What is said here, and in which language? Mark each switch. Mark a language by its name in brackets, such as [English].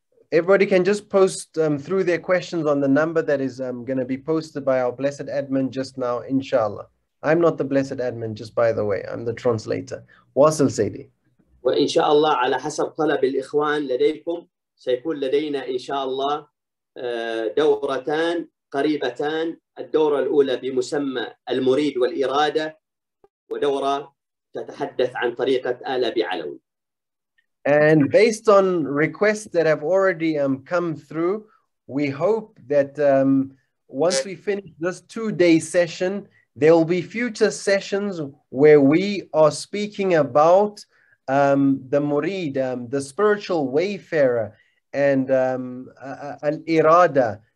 [English] Everybody can just post through their questions on the number that is going to be posted by our blessed admin just now, inshallah. I'm not the blessed admin, just by the way. I'm the translator. Wasil Sadie. [Arabic] وإن شاء الله على حسب طلب الإخوان لديكم سيكون لدينا إن شاء الله دورتان قريبتان, الدورة الأولى بمسمى المريد والإرادة ودورة تتحدث عن طريقة آل أبي علوي. [English] And based on requests that have already come through, we hope that once we finish this two-day session, there will be future sessions where we are speaking about the murid, the spiritual wayfarer, and al-irada,